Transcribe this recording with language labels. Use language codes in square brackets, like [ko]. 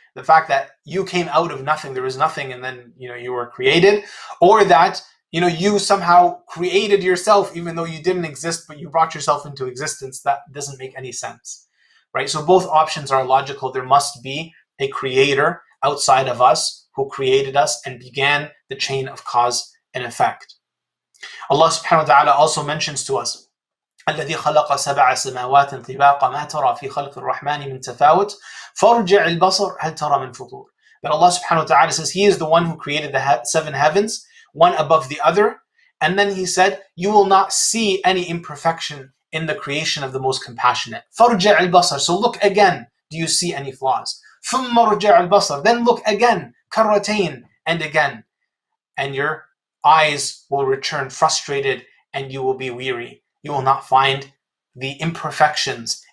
[en] The fact that you came out of nothing, there was nothing, and then, you know, you were created, or that, you know, you somehow created yourself even though you didn't exist, but you brought yourself into existence, that doesn't make any sense, right? So both options are logical. There must be a creator outside of us who created us and began the chain of cause and effect. Allah subhanahu wa ta'ala also mentions to us, [ar] الَّذِي خَلَقَ سَبْعَ سَمَاوَاتٍ طِبَاقًا مَا تَرَى فِي خَلْقِ الرَّحْمَنِ مِنْ تَفَاوُتٍ فَارْجِعِ الْبَصَرِ هَلْ تَرَى مِنْ فُطُورٍ. [en] That Allah subhanahu wa ta'ala says, He is the one who created the seven heavens, one above the other. And then He said, you will not see any imperfection in the creation of the most compassionate. [ar] فَارْجِعِ الْبَصَرِ. [en] So look again, do you see any flaws? [ar] ثُمَّ رُجِعِ الْبَصَرِ. [en] Then look again, كَرَّتَيْنِ, and again. And your eyes will return frustrated and you will be weary. You will not find the imperfections